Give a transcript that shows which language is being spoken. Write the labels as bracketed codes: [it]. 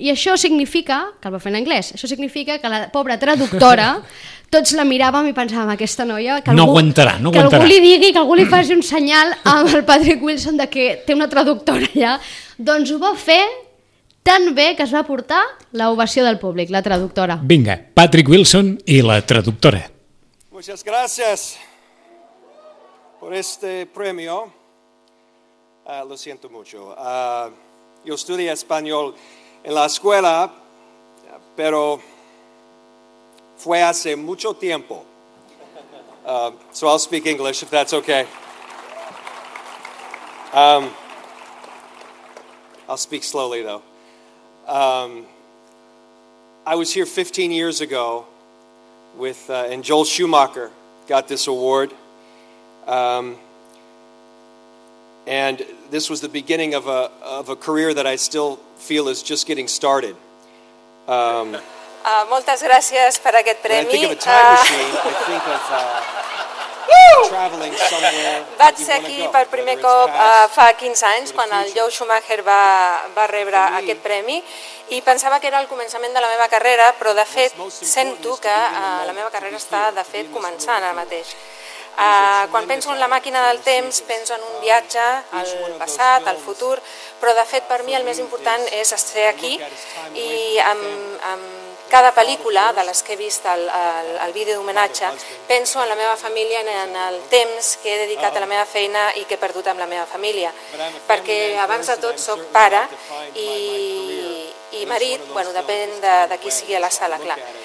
[ca] I això significa, que el va fer en anglès, això significa que la pobra traductora, tots la miràvem i pensàvem, aquesta noia, que algú, no aguantarà, no aguantarà. Que algú li digui, que algú li faci un senyal amb el Patrick Wilson de que té una traductora allà. Doncs ho va fer tan bé que es va portar l'ovació del públic, la traductora. Vinga, Patrick Wilson i la traductora. [es] Muchas gracias por este premio. Lo siento mucho. Yo estudié español en la escuela, pero fue hace mucho tiempo. [en] So I'll speak English if that's okay. I'll speak slowly though. I was here 15 years ago with and Joel Schumacher got this award. And this was the beginning of a career that I still feel is just getting started. [ca] Moltes gràcies per aquest premi. [en] I think of a time machine, I think of traveling somewhere. [ca] Vaig ser aquí per primer cop fa 15 anys, quan el Joel Schumacher va rebre aquest premi, i pensava que era el començament de la meva carrera, però de fet sento que la meva carrera està de fet començant ara mateix. Quan penso en la màquina del temps, penso en un viatge al passat, al futur, però de fet per mi el més important és ser aquí, i amb cada pel·lícula de les que he vist el vídeo d'homenatge penso en la meva família, en el temps que he dedicat a la meva feina i que he perdut amb la meva família, perquè abans de tot sóc pare i marit, bueno, depèn de qui sigui a la sala, clar.